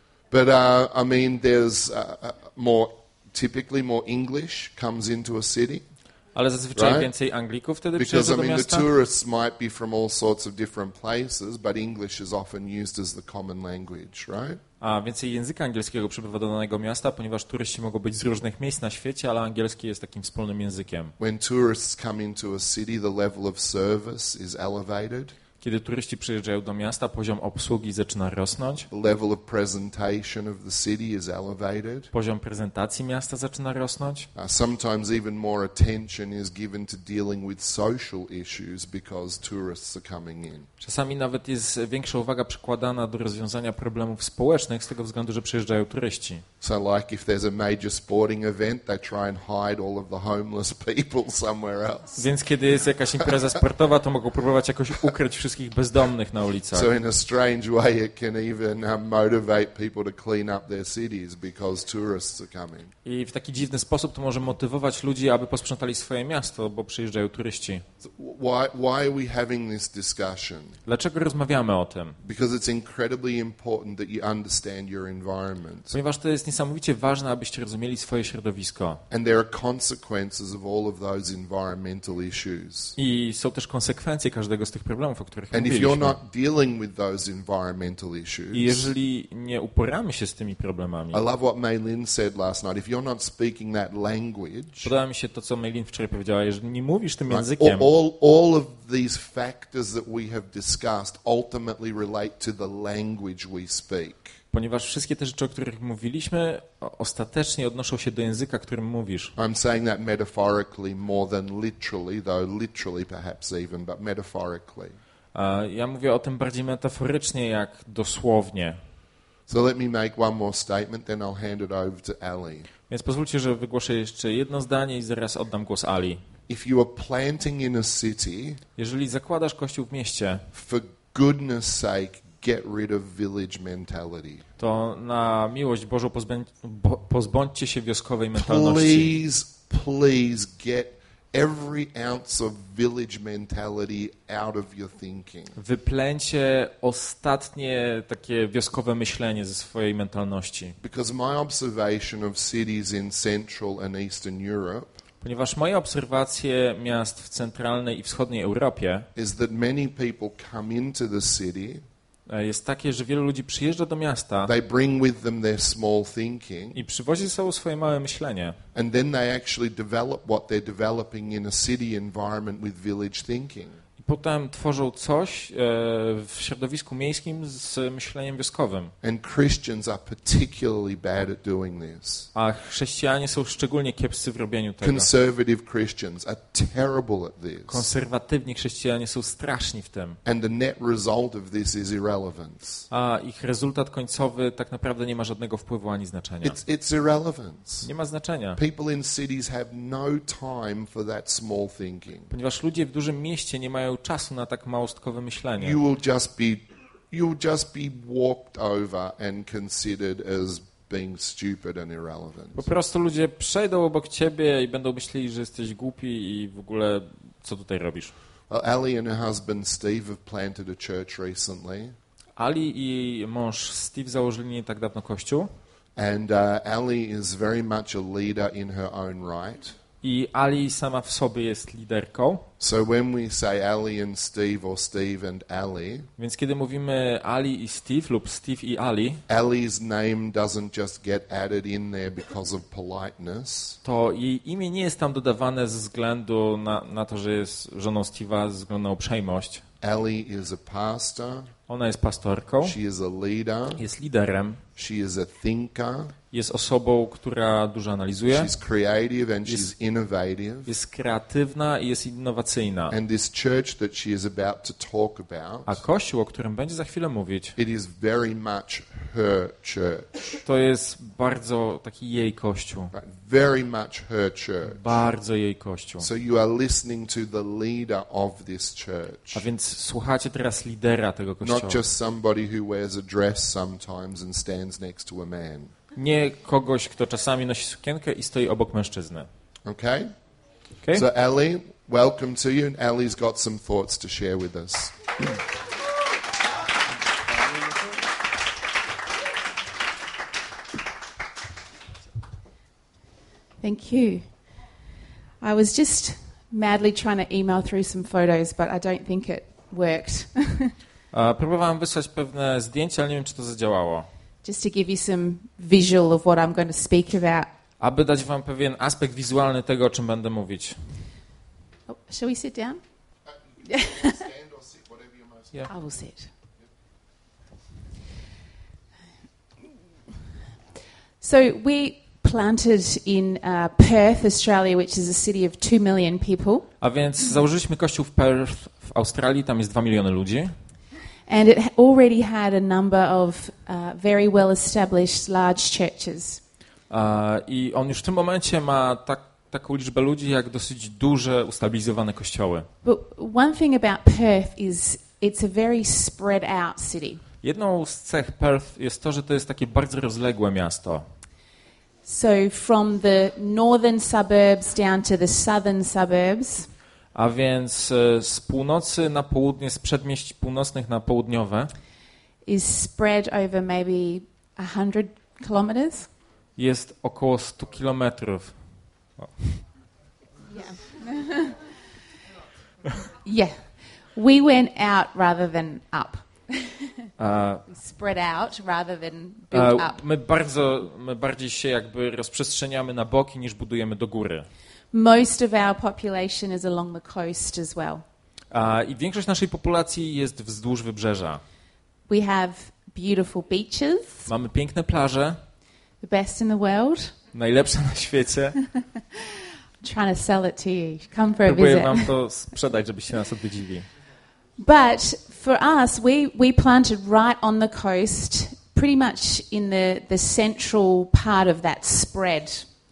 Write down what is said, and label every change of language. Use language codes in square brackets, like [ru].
[en] But I mean there's more English comes into a city. [pl] Ale zazwyczaj [en] right? [pl] Więcej Anglików wtedy przyjeżdża do miasta. [en] Because the tourists might be from all sorts of different places, but English is often used as the common language, right? [pl] A więcej języka angielskiego przybywa do danego miasta, ponieważ turyści mogą być z różnych miejsc na świecie, ale angielski jest takim wspólnym językiem. [en] When tourists come into a city, the level of service is elevated. [pl] Kiedy turyści przyjeżdżają do miasta, poziom obsługi zaczyna rosnąć. [en] The level of presentation of the city is elevated. [pl] Poziom prezentacji miasta zaczyna rosnąć. [en] Sometimes even more attention is given to dealing with social issues because tourists are coming in. [pl] Czasami nawet jest większa uwaga przykładana do rozwiązania problemów społecznych z tego względu, że przyjeżdżają turyści. [en] So like if there's a major sporting event, they try and hide all of the homeless people somewhere else. [pl] Więc kiedy jest jakaś impreza sportowa, to mogą próbować jakoś ukryć wszystkich bezdomnych na ulicach. [en] So in a strange way it can even motivate people to clean up their cities because tourists are coming. [pl] I w taki dziwny sposób to może motywować ludzi, aby posprzątali swoje miasto, bo przyjeżdżają turyści. [en] Why are we having this discussion? [pl] Dlaczego rozmawiamy o tym? [en] Because it's incredibly important that you understand your environment. [pl] Ponieważ to jest niesamowicie ważne, abyście rozumieli swoje środowisko. [en] And there are consequences of all of those environmental issues. [pl] I są też konsekwencje każdego z tych problemów. [en] And if you're not dealing with those environmental issues, [pl] jeżeli nie uporamy się z tymi problemami, [en] I love what Maylin said last night. If you're not speaking that language, [pl] podoba mi się to, co Maylin wczoraj powiedziała, jeżeli nie mówisz tym językiem, [en] all of these factors that we have discussed ultimately relate to the language we speak. [pl] Ponieważ wszystkie te rzeczy, o których mówiliśmy, ostatecznie odnoszą się do języka, którym mówisz. [en] I'm saying that metaphorically more than literally, though literally perhaps even, but metaphorically. [pl] Ja mówię o tym bardziej metaforycznie, jak dosłownie. [en] So let me make one more statement, then I'll hand it over to Ali. [pl] Więc pozwólcie, że wygłoszę jeszcze jedno zdanie i zaraz oddam głos Ali. [en] If you are planting in a city, [pl] jeżeli zakładasz kościół w mieście, [en] for goodness sake, get rid of village mentality. [pl] To na miłość Bożą pozbądźcie się wioskowej mentalności. [en] Please, please get every ounce of village mentality out of your thinking. [pl] Wyplęcie ostatnie takie wioskowe myślenie ze swojej mentalności. [en] Because my observation of cities in Central and Eastern Europe. [pl] Ponieważ moje obserwacje miast w centralnej i wschodniej Europie [en] is that many people come into the city. [pl] Jest takie, że wielu ludzi przyjeżdża do miasta. [en] They bring with them their small thinking. [pl] I przywozi ze sobą swoje małe myślenie. [en] And then they actually develop what they're developing in a city environment with village thinking. [pl] I potem tworzą coś w środowisku miejskim z myśleniem wioskowym. [en] And Christians are particularly bad at doing this. [pl] A chrześcijanie są szczególnie kiepscy w robieniu tego. [en] Conservative Christians are terrible at this. [pl] Konserwatywni chrześcijanie są straszni w tym. [en] And the net result of this is irrelevance. [pl] A ich rezultat końcowy tak naprawdę nie ma żadnego wpływu ani znaczenia. [en] It's irrelevance. [pl] Nie ma znaczenia. [en] People in cities have no time for that small thinking. [pl] Ponieważ ludzie w dużym mieście nie mają czasu na tak małostkowe myślenie. [en] You will just be walked over and considered as being stupid and irrelevant. [pl] Po prostu ludzie przejdą obok ciebie i będą myśleli, że jesteś głupi i w ogóle co tutaj robisz. [en] Well, Ali and her husband Steve have planted a church recently. [pl] Ali i mąż Steve założyli nie tak dawno kościół. [en] And Ali is very much a leader in her own right. [pl] I Ali sama w sobie jest liderką. [en] So when we say Ali and Steve or Steve and Ali, [pl] więc kiedy mówimy Ali i Steve lub Steve i Ali, [en] Ali's name doesn't just get added in there because of politeness. [pl] To jej imię nie jest tam dodawane ze względu na to, że jest żoną Steve'a, ze względu na uprzejmość. [en] Ellie is a pastor. [pl] Ona jest pastorką. [en] She is a leader. [pl] Jest liderem. [en] She is a thinker. [pl] Jest osobą, która dużo analizuje. [en] She's creative and she's innovative. [pl] Jest kreatywna i jest innowacyjna. [en] And this church that she is about to talk about. [pl] A kościół, o którym będzie za chwilę mówić. [en] It is very much her church. [pl] To jest bardzo taki jej kościół. [en] But very much her church. [pl] Bardzo jej kościół. [en] So you are listening to the leader of this church. [pl] A więc słuchacie teraz lidera tego kościoła. [en] Not just somebody who wears a dress sometimes and stands next to a man. [pl] Nie kogoś, kto czasami nosi sukienkę i stoi obok mężczyzny. [en] Okay. Okay. So Ellie, welcome to you. Ellie's got some thoughts to share with us. Thank you. I was just madly trying to email through some photos, but I don't think it worked. [pl] Próbowałam wysłać pewne zdjęcia, ale nie wiem, czy to zadziałało. [en] Just to give you some visual of what I'm going to speak about. [pl] Aby dać wam pewien aspekt wizualny tego, o czym będę mówić. [en] Oh, shall we sit down? Stand or sit, whatever you must. Yeah. I will sit. So we planted in Perth, Australia, which is a city of 2 million people. [pl] A więc założyliśmy kościół w Perth w Australii, tam jest 2 miliony ludzi. [en] And it already had a number of very well established large churches. [pl] I on już w tym momencie ma taką liczbę ludzi jak dosyć duże ustabilizowane kościoły. [en] But one thing about Perth is it's a very spread out city. [pl] Jedną z cech Perth jest to, że to jest takie bardzo rozległe miasto. [en] So from the northern suburbs down to the southern suburbs. [pl] A więc z północy na południe, z przedmieści północnych na południowe [en] is spread over maybe 100 kilometers. [pl] Jest około 100 kilometrów. [en] Yeah. Yeah. We went out rather than up. Spread out rather than build up. [pl] My bardziej się jakby rozprzestrzeniamy na boki niż budujemy do góry. [en] Most of our population is along the coast as well. [pl] I większość naszej populacji jest wzdłuż wybrzeża. [en] We have beautiful beaches. [pl] Mamy piękne plaże. [en] The best in the world. [pl] Najlepsze na świecie. [en] I'm trying to sell it to you. Come for a visit. [pl] Próbuję wam to sprzedać, żebyście nas odwiedzili. [en] But for us, we planted right on the coast, pretty much in the central part of that spread.